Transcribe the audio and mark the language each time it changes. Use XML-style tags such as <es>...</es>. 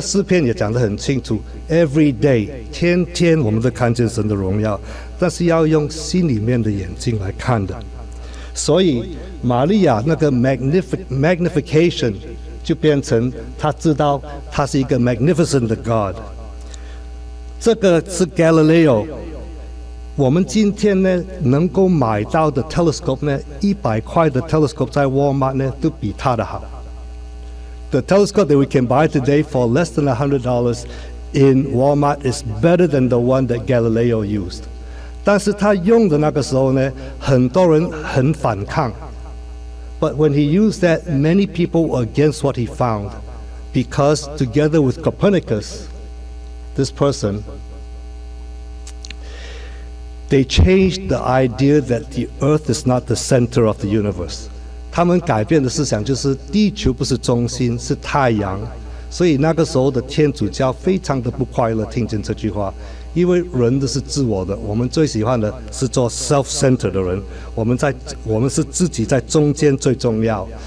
<zh>这个诗篇也讲得很清楚 ，</zh> <en>Every day，</en> <zh>天天我们都看见神的荣耀，但是要用心里面的眼睛来看的。所以玛利亚那个 magnification 就变成他知道他是一个 magnificent 的 God。这个是 Galileo， 我们今天呢能够买到的 telescope 呢，100块的 telescope 在 Walmart 呢都比他的好。</zh> <en>The telescope that we can buy today for less than $100 in Walmart is better than the one that Galileo used.</en> <zh>但是他用的那个时候呢，很多人很反抗。</zh> <en>But when he used that, many people were against what he found, because together with Copernicus, this person, they changed the idea that the Earth is not the center of the universe.</en> <zh>他们改变的思想就是地球不是中心，是太阳。所以那个时候的天主教非常的不快乐，听见这句话。因为人都是自我的，我们最喜欢的是做 self-centered 的人，我们是自己在中间最重要。</zh>